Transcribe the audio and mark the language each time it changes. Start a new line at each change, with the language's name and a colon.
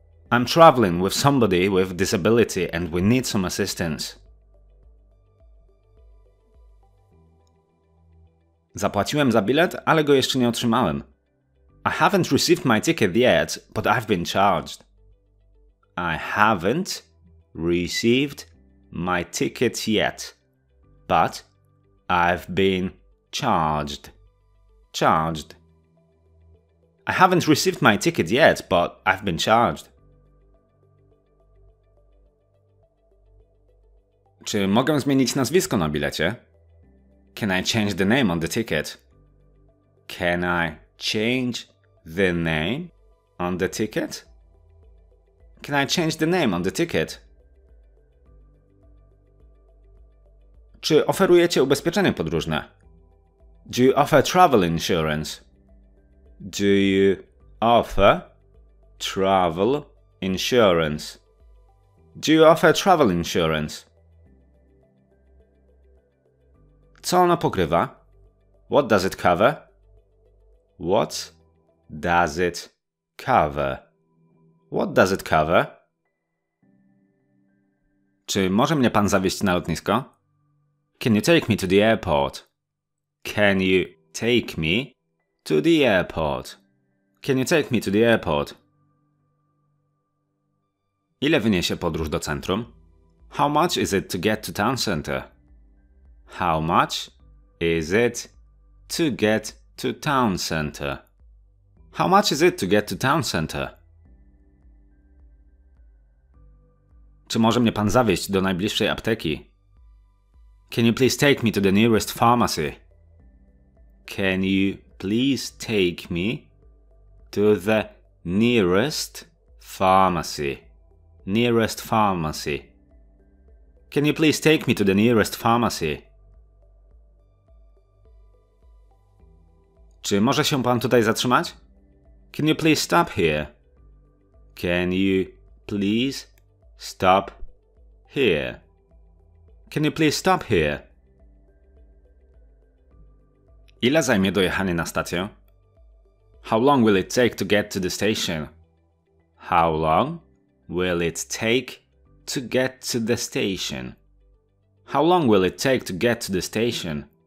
English: I'm traveling with somebody with disability and we need some assistance.
Polish: Zapłaciłem za bilet, ale go jeszcze nie otrzymałem.
English: I haven't received my ticket yet, but I've been charged. I haven't received my ticket yet, but I've been charged. Charged. I haven't received my ticket yet, but I've been charged.
Polish: Czy mogę zmienić nazwisko na bilecie?
English: Can I change the name on the ticket? Can I change the name on the ticket? Can I change the name on the ticket?
Polish: Czy oferujecie ubezpieczenie podróżne?
English: Do you offer travel insurance? Do you offer travel insurance? Do you offer travel insurance?
Polish: Co ono pokrywa?
English: What does it cover? What does it cover? What does it cover?
Polish: Czy może mnie pan zawieźć na lotnisko?
English: Can you take me to the airport? Can you take me to the airport? Can you take me to the airport?
Polish: Ile wyniesie podróż do centrum?
English: How much is it to get to town center? How much is it to get to town center? How much is it to get to town center?
Polish: Czy może mnie pan zawieźć do najbliższej apteki?
English: Can you please take me to the nearest pharmacy? Can you please take me to the nearest pharmacy? Nearest pharmacy. Can you please take me to the nearest pharmacy?
Polish: Czy może się pan tutaj zatrzymać?
English: Can you please stop here? Can you please stop here? Can you please stop here?
Polish: Ile zajmie dojechanie na stację?
English: How long will it take to get to the station? How long will it take to get to the station? How long will it take to get to the station?